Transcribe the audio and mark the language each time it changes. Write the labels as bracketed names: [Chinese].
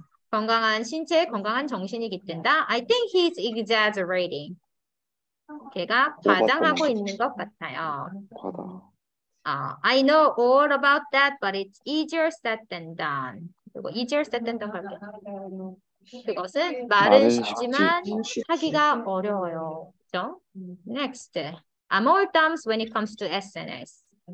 [Korean] 건강한 신체에 건강한 정신이 깃든다. [English] I think he's exaggerating. [Korean] 걔가 과장하고 있는 것 같아요. [English] I know all about that, but it's easier said than done. 그리고 easier said than done 할게요. [Korean] 그것은 말은 쉽지만 하기가 어려워요. 그렇죠? Next. [English] I'm all thumbs when it comes to SNS.